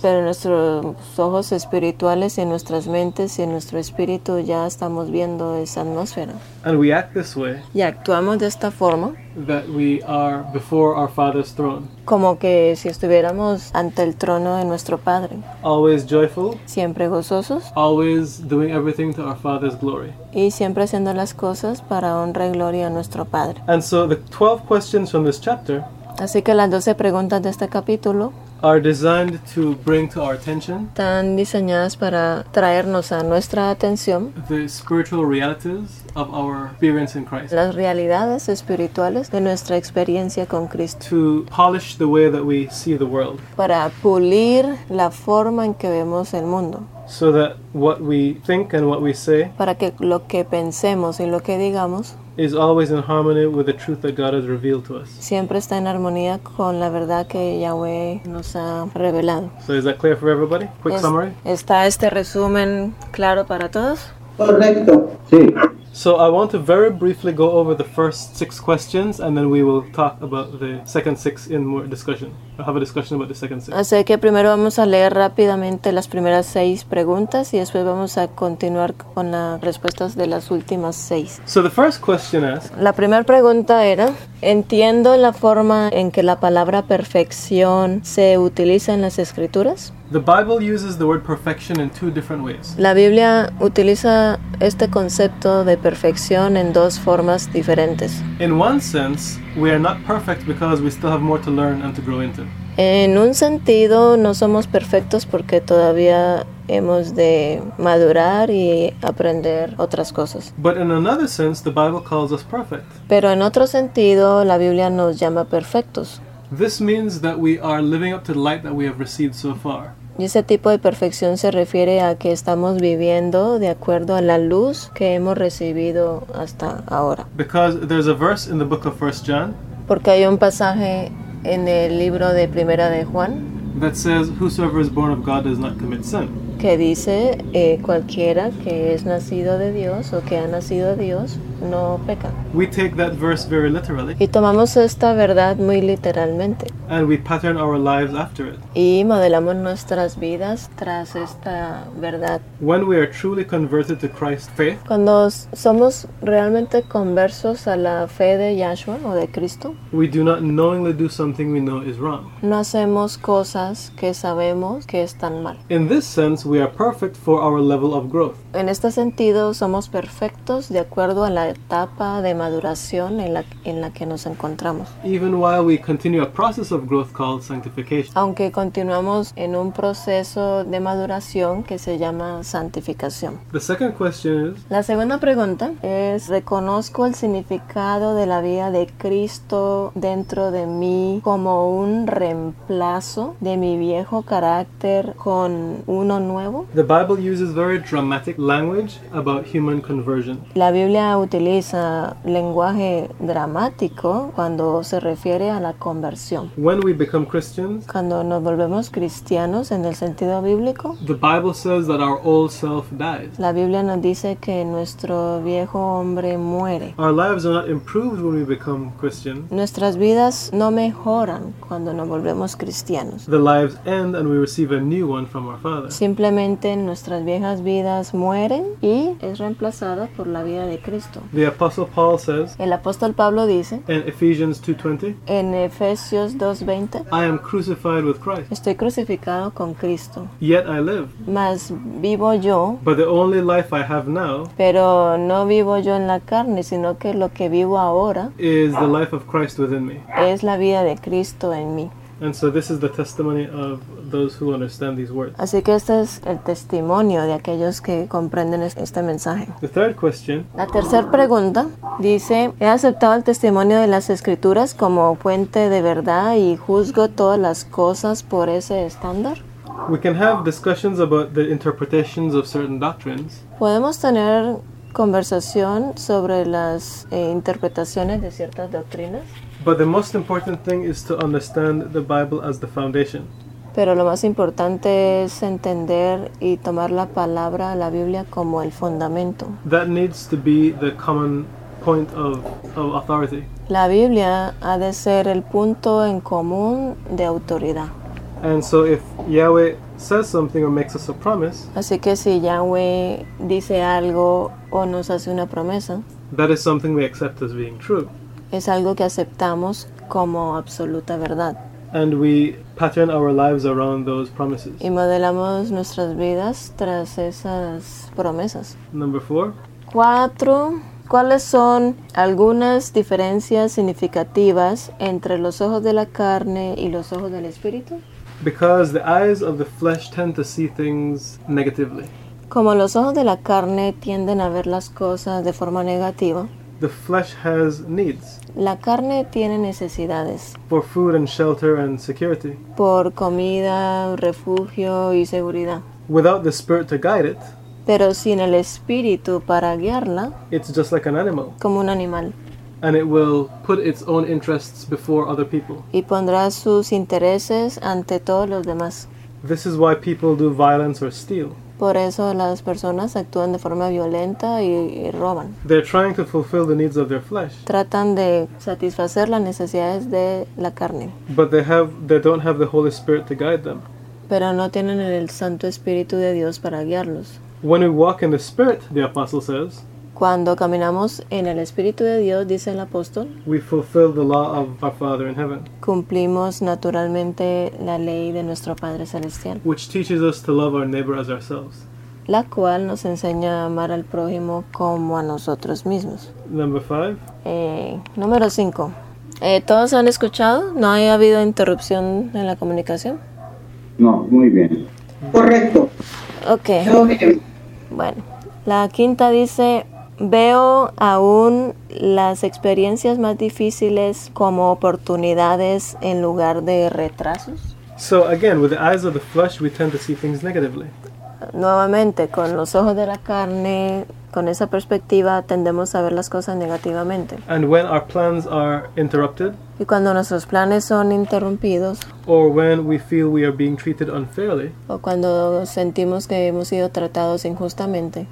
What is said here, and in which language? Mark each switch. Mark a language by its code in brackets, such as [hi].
[es] Pero nuestros ojos espirituales y nuestras mentes y nuestro espíritu ya estamos viendo esa atmósfera. [en] And we act this way. [es] Y actuamos de esta forma. [en] That we are before our Father's throne. [es] Como que si estuviéramos ante el trono de nuestro Padre. [en] Always joyful. [es] Siempre gozosos. [en] Always doing everything to our Father's glory. [es] Y siempre haciendo las cosas para honra y gloria a nuestro Padre. [en] And so the 12 questions from this chapter. [es] Así que las 12 preguntas de este capítulo. [en] Are designed to bring to our attention. [es] Están diseñadas para traernos a nuestra atención. [en] The spiritual realities of our experience in Christ. [es] Las realidades espirituales de nuestra experiencia con Cristo. [en] To polish the way that we see the world. [es] Para pulir la forma en que vemos el mundo. [en] So that what we think and what we say [es] para que lo que pensemos y lo que digamos [en] is always in harmony with the truth that God has revealed to us. [es] Siempre está en armonía con la verdad que Yahweh nos ha revelado. [en] So is that clear for everybody? Quick summary? [es] ¿Está este resumen claro para todos? Correcto. Sí. [en] So I want to very briefly go over the first six questions and then we will talk about the second six in more discussion. I'll have a discussion about the second six. [es] Así que primero vamos a leer rápidamente las primeras seis preguntas y después vamos a continuar con las respuestas de las últimas seis. [en] So the first question asks, [es] la primera pregunta era, ¿entiendo la forma en que la palabra perfección se utiliza en las escrituras? [en] The Bible uses the word perfection in two different ways. [es] La Biblia utiliza este concepto de perfección en dos formas diferentes. [en] In one sense, we are not perfect because we still have more to learn and to grow into. [es] En un sentido, no somos perfectos porque todavía hemos de madurar y aprender otras cosas. [en] But in another sense, the Bible calls us perfect. [es] Pero en otro sentido, la Biblia nos llama perfectos. [en] This means that we are living up to the light that we have received so far. [es] Y ese tipo de perfección se refiere a que estamos viviendo de acuerdo a la luz que hemos recibido hasta ahora. [en] Because there's a verse in the book of 1 John. [es] Porque hay un pasaje en el libro de Primera de Juan. [en] That says, whosoever is born of God does not commit sin. [es] Que dice, cualquiera que es nacido de Dios o que ha nacido de Dios no peca. [en] We take that verse very literally. [es] Y tomamos esta verdad muy literalmente. [en] And we pattern our lives after it. [es] Y modelamos nuestras vidas tras esta verdad. [en] When we are truly converted to Christ's faith. [es] Cuando somos realmente conversos a la fe de Yahshua o de Cristo. [en] We do not knowingly do something we know is wrong. [es] No hacemos cosas que sabemos que están mal. [en] In this sense, we are perfect for our level of growth. [es] En este sentido, somos perfectos de acuerdo a la etapa de maduración en la que nos encontramos. [en] Even while we continue a process of growth called sanctification. [es] Aunque continuamos en un proceso de maduración que se llama santificación. [en] The second question is, [es] la segunda pregunta es, ¿reconozco el significado de la vida de Cristo dentro de mí como un reemplazo de mi viejo carácter con uno nuevo? [en] The Bible uses very dramatic language about human conversion. [es] La Biblia utiliza lenguaje dramático cuando se refiere a la conversión. [en] When we become Christians, [es] cuando nos volvemos cristianos en el sentido bíblico, [en] the Bible says that our old self dies. [es] La Biblia nos dice que nuestro viejo hombre muere. [en] Our lives are not improved when we become Christian. [es] Nuestras vidas no mejoran cuando nos volvemos cristianos. [en] The lives end and we receive a new one from our Father. [es] Simplemente nuestras viejas vidas mueren y es reemplazada por la vida de Cristo. [en] The Apostle Paul says, [es] el apóstol Pablo dice, [en] in Ephesians 2:20, [es] en Efesios 2:20, [en] I am crucified with Christ. [es] Estoy crucificado con Cristo. [en] Yet I live. [es] Mas vivo yo. [en] But the only life I have now, [es] pero no vivo yo en la carne, sino que lo que vivo ahora [en] is the life of Christ within me. [es] Es la vida de Cristo en mí. [en] And so this is the testimony of those who understand these words. [es] Así que este es el testimonio de aquellos que comprenden este mensaje. [en] The third question. [es] La tercera pregunta dice, he aceptado el testimonio de las escrituras como fuente de verdad y juzgo todas las cosas por ese estándar. [en] We can have discussions about the interpretations of certain doctrines. [es] Podemos tener conversación sobre las interpretaciones de ciertas doctrinas. [en] But the most important thing is to understand the Bible as the foundation. [es] Pero lo más importante es entender y tomar la palabra, la Biblia, como el fundamento. [en] That needs to be the common point of authority. [es] La Biblia ha de ser el punto en común de autoridad. [en] And so if Yahweh says something or makes us a promise, [es] así que si Yahweh dice algo o nos hace una promesa, [en] that is something we accept as being true. [es] Es algo que aceptamos como absoluta verdad. [en] And we pattern our lives around those promises. [es] Y modelamos nuestras vidas tras esas promesas. [en] Number four. [es] Cuatro. ¿Cuáles son algunas diferencias significativas entre los ojos de la carne y los ojos del espíritu? [en] Because the eyes of the flesh tend to see things negatively. [es] Como los ojos de la carne tienden a ver las cosas de forma negativa. [en] The flesh has needs. [es] La carne tiene necesidades. [en] For food and shelter and security. [es] Por comida, refugio y seguridad. [en] without the spirit to guide it, [es] pero sin el espíritu para guiarla, [en] it's just like an animal. [es] Como un animal. [en] And it will put its own interests before other people. [es] Y pondrá sus intereses ante todos los demás. [en] This is why people do violence or steal. [es] Por eso las personas actúan de forma violenta y roban. [en] They're trying to fulfill the needs of their flesh. [es] Tratan de satisfacer las necesidades de la carne. [en] But they don't have the Holy Spirit to guide them. [es] Pero no tienen el Santo Espíritu de Dios para guiarlos. [en] When we walk in the Spirit, the apostle says, [es] cuando caminamos en el Espíritu de Dios, dice el apóstol, [en] we fulfill the law of our Father in heaven, [es] cumplimos naturalmente la ley de nuestro Padre Celestial, [en] which teaches us to love our neighbor as ourselves, [es] la cual nos enseña a amar al prójimo como a nosotros mismos. [en] Number 5. [es] Número 5. ¿Todos han escuchado? ¿No ha habido interrupción en la comunicación? No, muy bien. Correcto. Ok. Bueno. La quinta dice, veo aún las experiencias más difíciles como oportunidades en lugar de retrasos. [en] So again, with the eyes of the flesh, we tend to see things negatively. [es] Nuevamente, con los ojos de la carne, con esa perspectiva, tendemos a ver las cosas negativamente. [en] And when our plans are interrupted, [es] y cuando nuestros planes son interrumpidos, [en] or when we feel we are being treated unfairly, [es] o cuando sentimos que hemos sido tratados injustamente,